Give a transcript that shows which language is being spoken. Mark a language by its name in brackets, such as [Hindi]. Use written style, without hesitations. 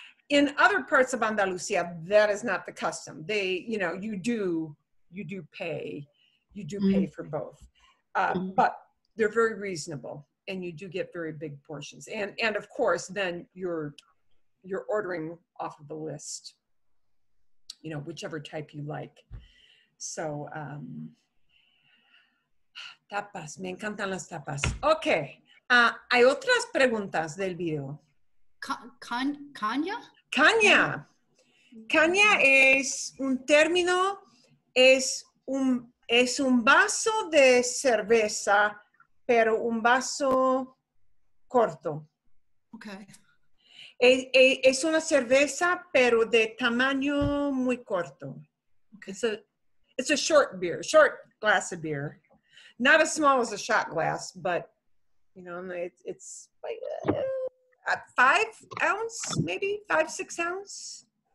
[English] In other parts of Andalusia, that is not the custom. You do pay for both, but they're very reasonable, and you do get very big portions. And of course, then you're ordering off of the list, whichever type you like. [Spanish] So tapas, me encantan las tapas. Okay. ¿Hay otras preguntas del video? caña? Caña. Caña es un término, es un vaso de cerveza, pero un vaso corto. Okay. Es una cerveza, pero de tamaño muy corto. Okay. [English] It's a short beer, short glass of beer. Not as small as a shot glass, but, you know, it's like a 5 ounce, maybe 5-6 ounce.